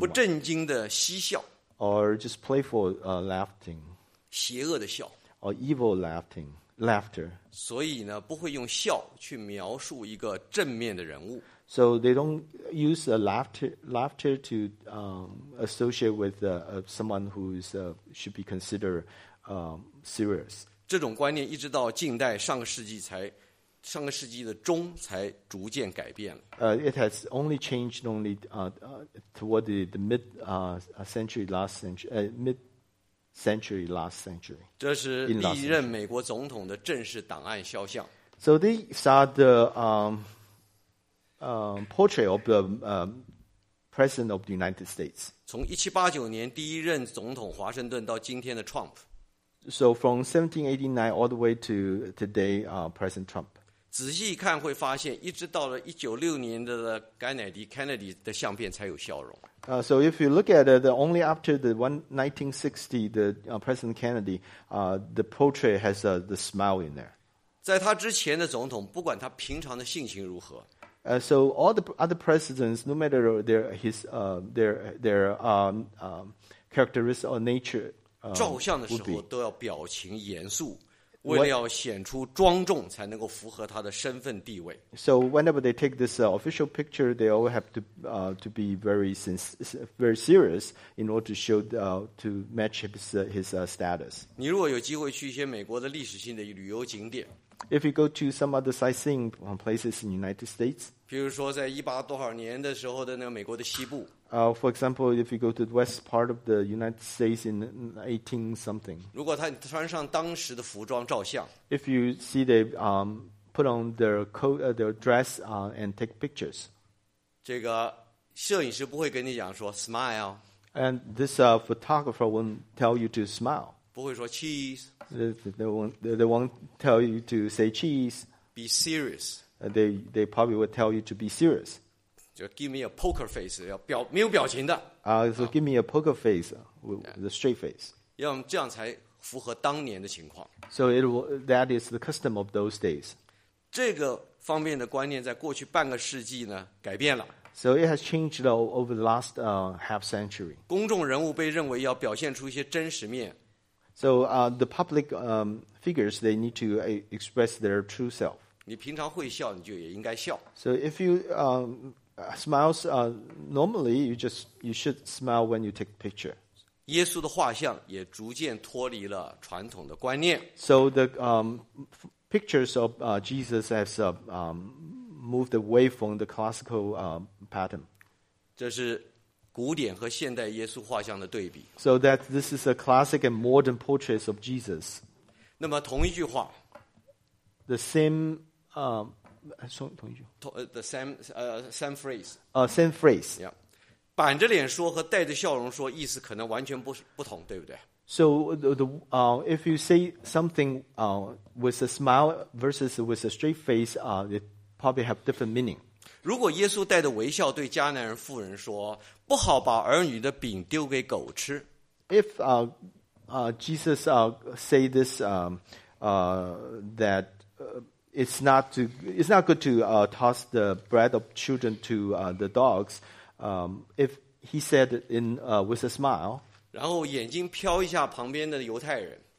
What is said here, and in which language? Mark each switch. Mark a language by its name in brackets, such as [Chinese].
[Chinese] 不正经的嬉笑。 [English] Or just playful laughing. [Chinese] 邪恶的笑。 [English] Or evil laughing, laughter. [Chinese] 所以呢，不会用笑去描述一个正面的人物。 [English] So they don't use a laughter to associate with someone who is should be considered serious. [Chinese] 这种观念一直到近代上个世纪才。上个世纪的中才逐渐改变了。 [English] It has only changed only toward the mid century last century mid century last century. [Chinese] 这是历任美国总统的正式档案肖像。 [English] So these are the portrait of the president of the United States. [Chinese] 从1789年第一任总统华盛顿到今天的 Trump. [English] So from 1789 all the way to today, President Trump. [Chinese] 仔细一看会发现一直到了1966年的甘乃迪 Kennedy 的相片才有笑容。 [English] So if you look at it, only after the 1960, the President Kennedy, the portrait has the smile in there. [Chinese] 在他之前的总统不管他平常的性情如何。 [English] So all the other presidents, no matter their, his, their characteristics or nature, [Chinese] 照相的时候都要表情严肃。为了要显出庄重才能够符合他的身份地位。 [English] So whenever they take this official picture, they all have to be very serious in order to show to match his status. [Chinese] 你如果有机会去一些美国的历史性的旅游景点。 [English] If you go to some other sightseeing places in the United States. [Chinese] 比如说在一八多少年的时候的那个美国的西部。 [English] For example, if you go to the west part of the United States in 18 something. [Chinese] 如果他穿上当时的服装照相。 [English] If you see they put on their coat, their dress, and take pictures. [Chinese] 这个摄影师不会跟你讲说 smile. [English] And this photographer won't tell you to smile. [Chinese] 不会说 cheese. [English] They won't tell you to say cheese. Be serious. They probably will tell you to be serious. [Chinese] 就 [English] give me a poker face, [Chinese] 要表没有表情的。 [English] So give me a poker face, the straight face. [Chinese] 要这样才符合当年的情况。 [English] So that is the custom of those days. [Chinese] 这个方面的观念在过去半个世纪呢改变了。 [English] So it has changed over the last half century. [Chinese] 公众人物被认为要表现出一些真实面。 [English] So the public figures, they need to express their true self. [Chinese] 你平常会笑，你就也应该笑。 [English] So if you smiles normally you should smile when you take picture. [Chinese] 耶稣的画像也逐渐脱离了传统的观念。 [English] So the pictures of Jesus has moved away from the classical pattern. [Chinese] 这是古典和现代耶稣画像的对比。 [English] So that this is a classic and modern portraits of Jesus. [Chinese] 那么同一句话。 [English] The same same phrase. Yeah. [Chinese] 板着脸说和带着笑容说意思可能完全不同，对不对？ [English] So if you say something with a smile versus with a straight face, it probably have different meaning. [Chinese] 如果耶稣带着微笑对迦南人妇人说，不好把儿女的饼丢给狗吃。 [English] If Jesus say this that It's not good to toss the bread of children to the dogs. If he said in with a smile, [Chinese] 然后眼睛飘一下旁边的犹太人